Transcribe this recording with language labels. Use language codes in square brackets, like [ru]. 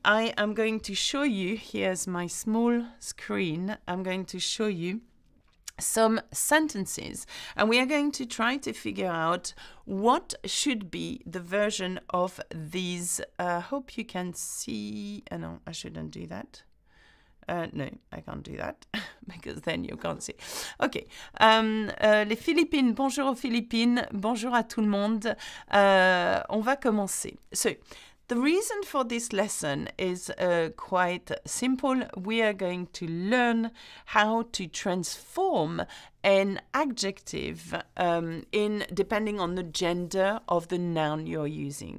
[en] I am going to show you, here's my small screen, I'm going to show you some sentences, and we are going to try to figure out what should be the version of these. Hope you can see, no, I shouldn't do that. No, I can't do that, because then you can't see. [fr] Okay, les Philippines, bonjour aux Philippines, bonjour à tout le monde. On va commencer. [en] So, the reason for this lesson is quite simple. We are going to learn how to transform an adjective in depending on the gender of the noun you're using.